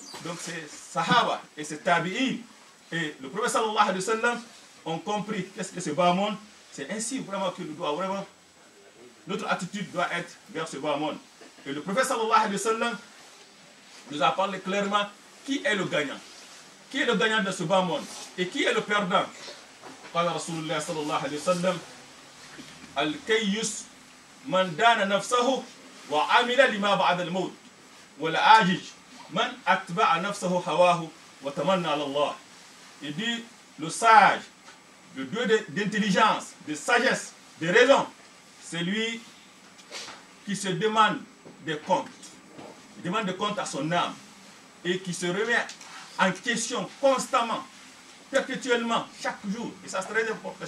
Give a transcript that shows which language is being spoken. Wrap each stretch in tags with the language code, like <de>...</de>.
<fr>Donc ces sahaba et ces tabi'in et le prophète sallallahu alayhi wa sallam ont compris qu'est-ce que ce bas monde. C'est ainsi vraiment que nous devons vraiment, notre attitude doit être vers ce bas monde. Et le prophète sallallahu alayhi wa sallam nous a parlé clairement qui est le gagnant. Qui est le gagnant de ce bas monde et qui est le perdant?</fr> <ar>Qala rasulullah sallallahu alayhi wa sallam, al-kayyus من دان نفسه وعمل لما بعد الموت والعاجز من اتبع نفسه هواه وتمنى على الله.</ar> <fr>Il dit, le sage, le dieu d'intelligence, de sagesse, de raison, c'est lui qui se demande des comptes. Il demande des comptes à son âme et qui se remet en question constamment, perpétuellement, chaque jour. Et ça, c'est très important.</fr>